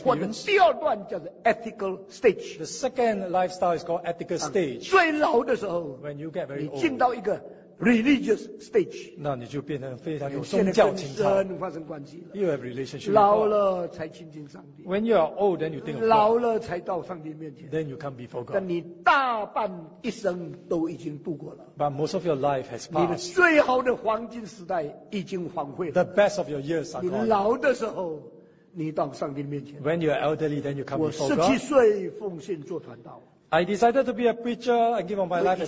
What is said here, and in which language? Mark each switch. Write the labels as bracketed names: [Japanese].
[Chinese] 你过的第二段叫做 [English] ethical stage. The second lifestyle is called ethical stage. [Chinese] 最老的时候, [English] when you get very old, [Chinese] 你进到一个 [English] religious stage. [Chinese] 那你就变成非常有宗教情操。 [English] You have relationship with [Chinese] God. 老了才亲近上帝。 [English] When you are old, then you think of God. [Chinese] 老了才到上帝面前。 [English] Then you come before God. [Chinese] 但你大半一生都已经度过了。 [English] But most of your life has passed. [Chinese] 你的最好的黄金时代已经荒废了。 [English] The best of your years are gone. [Chinese] 你老的时候, 你到上帝面前。 [English] When you are elderly, then you come before God. [Chinese] 我17岁奉献做传道。 [English] I decided to be a preacher and give up my life at